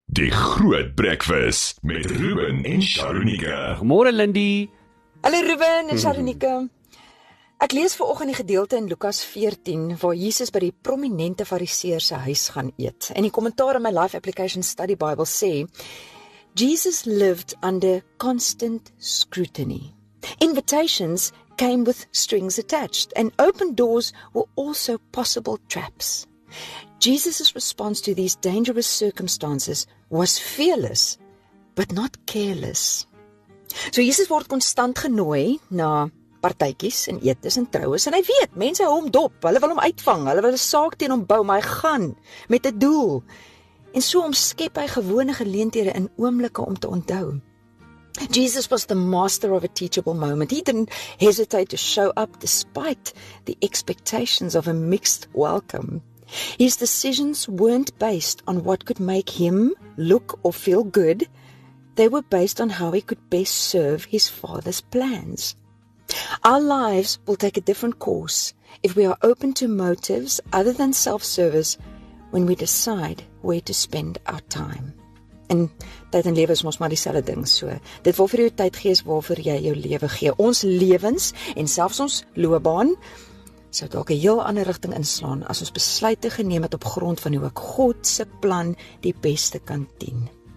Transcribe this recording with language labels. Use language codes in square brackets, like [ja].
[af] Die Groot Breakfast met Ruben en Sharunika. Goeiemôre Lindy. Hallo Ruben en Sharunika. Ek lees vanoggend die gedeelte in Lukas 14 waar Jesus by die prominente Fariseer se huis gaan eet. En die kommentaar in my Life Application Study Bible sê: [en] Jesus lived under constant scrutiny. Invitations came with strings attached, and open doors were also possible traps. Jesus' response to these dangerous circumstances was fearless, but not careless. [af] So Jesus word konstant genooi na partytjies en etes en troues, en hy weet, mense hou hom dop, hulle wil hom uitvang, hulle wil 'n saak teen hom bou, maar hy gaan met 'n doel. En so omskep hy gewone geleenthede in oomblikke om te onthou. [en] Jesus was the master of a teachable moment. He didn't hesitate to show up despite the expectations of a mixed welcome. His decisions weren't based on what could make him look or feel good. They were based on how he could best serve his father's plans. Our lives will take a different course if we are open to motives other than self-service when we decide where to spend our time. [af] En tyd en lewe is mos maar dieselfde ding, so dit waarvoor jy tyd gee is waarvoor jy jou lewe gee. Ons lewens en selfs ons loopbaan sou dalk 'n heel ander rigting inslaan as ons besluite geneem het op grond van hoe ek God se plan die beste kan dien.